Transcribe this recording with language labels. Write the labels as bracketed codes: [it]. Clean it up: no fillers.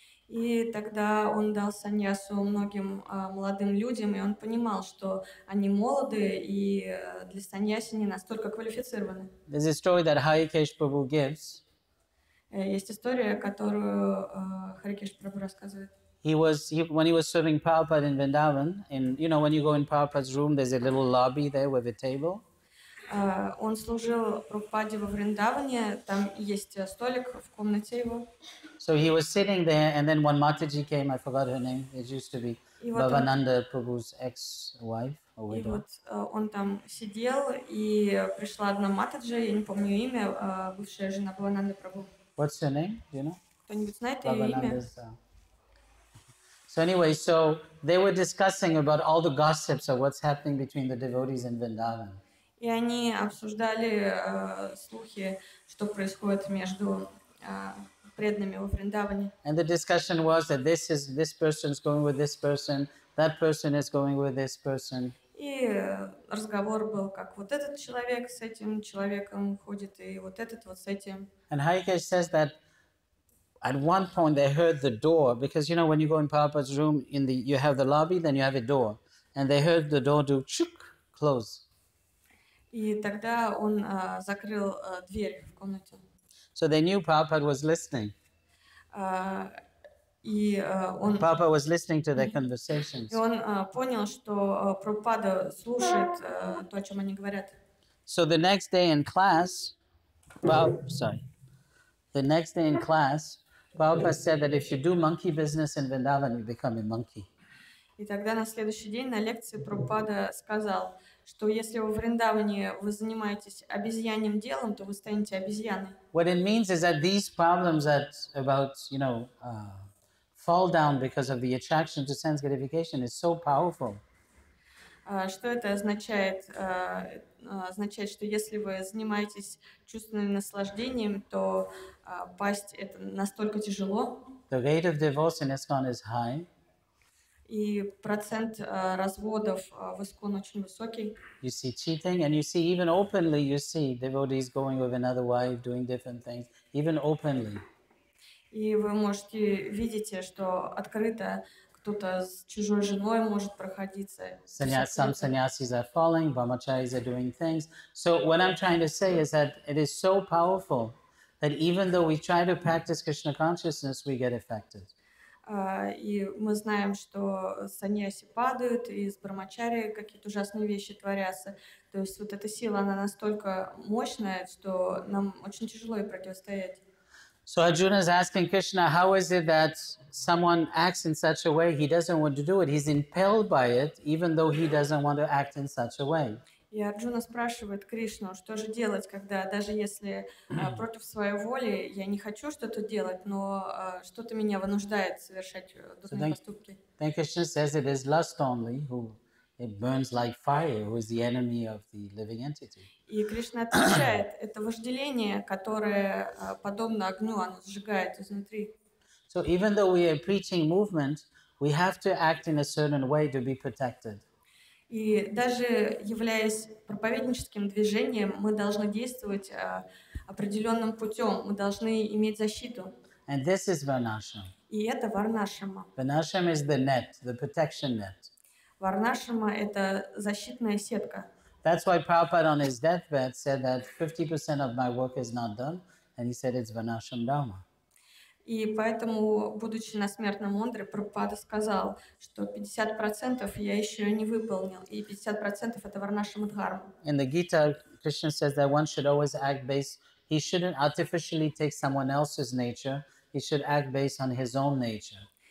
[ru] И тогда он дал саньясу многим молодым людям, и он понимал, что они молоды и для саньяси не настолько квалифицированы. [en] There's a story that Harikesh Prabhu gives. [ru] Есть история, которую Харикеш Прабху рассказывает. [en] When he was serving Prabhupada in Vrindavan, and you know, when you go in Prabhupada's room, there's a little lobby there with a table. [ru] Он служил Прабхупаде во Вриндаване, там есть столик в комнате его. [en] So he was sitting there, and then when Mataji came, I forgot her name, it used to be Bhavananda Prabhu's ex-wife or widow. [ru] И вот он там сидел, и пришла одна Матаджи, я не помню имя, бывшая жена Бхавананда Прабху. [en] What's her name? Do you know? [ru] Кто-нибудь знает ее имя? [en] So anyway, so they were discussing about all the gossips of what's happening between the devotees in Vrindavan. [ru] И они обсуждали слухи, что происходит между преданными во Вриндаване. [en] And the discussion was that this person is going with this person, that person is going with this person. [ru] И разговор был, как вот этот человек с этим человеком ходит, и вот этот вот с этим. [en] And Harikesh says that at one point they heard the door, because you know when you go in Prabhupada's room, you have the lobby, then you have a door, and they heard the door do chuk, close. [ru] И тогда он закрыл дверь в комнате. So they knew Prabhupada was listening. И он [en] Папа was listening to their conversations. [ru] И он понял, что Прабхупада слушает то, о чем они говорят. [en] So the next day in class, Prabhupada said that if you do monkey business in Vrindavan, you become a monkey. [ru] И тогда на следующий день на лекции Прабхупада сказал, что если вы в Вриндаване вы занимаетесь обезьяньим делом, то вы станете обезьяной. [en] What it means is that these problems that about, you know, fall down because of the attraction to sense gratification is so powerful. [ru] Что это означает? Означает, что если вы занимаетесь чувственным наслаждением, то пасть это настолько тяжело. [en] The rate of divorce in ISKCON is high. [ru] И процент разводов в ИСККОН очень высокий. [en] You see cheating, and you see even openly, you see devotees going with another wife, doing different things, even openly. [ru] И вы можете видеть, что открыто кто-то с чужой женой может проходиться. [en] Some sannyasis are falling, brahmacharis are doing things. So what I'm trying to say is that it is so powerful that even though we try to practice Krishna consciousness, we get affected. [ru] И мы знаем, что саньяси падают, и из брамачари какие-то ужасные вещи творятся. То есть вот эта сила, она настолько мощная, что нам очень тяжело ей противостоять. [en] So Arjuna is asking Krishna, how is it that someone acts in such a way, he doesn't want to do it, he's impelled by it, even though he doesn't want to act in such a way. [ru] И Арджуна спрашивает Кришну, что же делать, когда даже если против своей воли я не хочу что-то делать, но что-то меня вынуждает совершать духовные поступки. [en] Then Krishna says it is lust only, who it burns like fire, who is the enemy of the living entity. [ru] И Кришна отвечает, это вожделение, которое подобно огню, оно сжигает изнутри. [en] So even though we are preaching movement, we have to act in a certain way to be protected. [ru] И даже являясь проповедническим движением, мы должны действовать определенным путем, мы должны иметь защиту. [en] And this is Varnashram. [ru] И это Варнашрама. [en] Varnashram is the net, the protection net. [ru] Варнашрама — это защитная сетка. [en] That's why Prabhupada on his deathbed said that 50% of my work is not done, and he said it's Varnashram Dharma. [ru] И поэтому, будучи на смертном одре, Прабхупада сказал, что 50% я еще не выполнил, и 50% это варнашрама дхарма. [en] In the Gita, Krishna says that one should always act based, he shouldn't artificially take someone else's nature, he should act based on his own nature.